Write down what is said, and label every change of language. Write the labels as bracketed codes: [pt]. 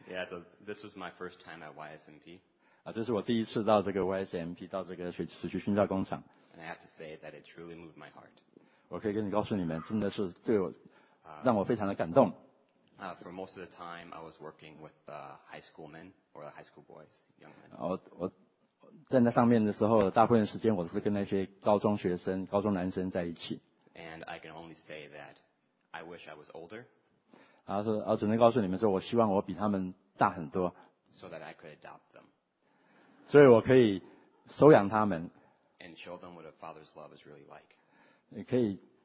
[en] Yeah, so this was my first time at YSMP. [zh] 这是我第一次到这个YSMP,到这个水区训练工厂。 [en] And I have to say that it truly moved my heart. [zh] 我可以跟你告诉你们,真的是对我让我非常的感动。 [en] For most of the time, I was working with high school men or high school boys, young men. [zh] 我站在上面的时候,大部分时间我是跟那些高中学生,高中男生在一起。 [en] And I can only say that I wish I was older. [zh] 只能告诉你们说，我希望我比他们大很多。 [en] So that I could adopt them. [zh] 所以我可以收养他们。 [en] And show them what a father's love is really like.